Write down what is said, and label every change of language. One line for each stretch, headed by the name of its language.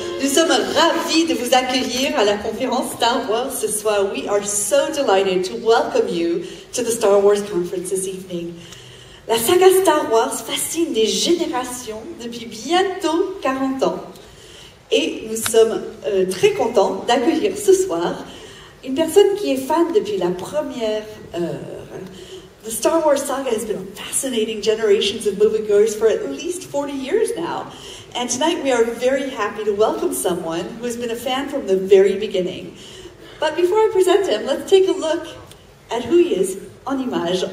French: Nous sommes ravis de vous accueillir à la conférence Star Wars ce soir.
English: We are so delighted to welcome you to the Star Wars conference this evening.
French: La saga Star Wars fascine des générations depuis bientôt 40 ans. Et nous sommes très contents d'accueillir ce soir une personne qui est fan depuis la première heure.
English: The Star Wars saga has been fascinating generations of moviegoers for at least 40 years now. And tonight we are very happy to welcome someone who has been a fan from the very beginning. But before I present him, let's take a look at who he is
French: en image.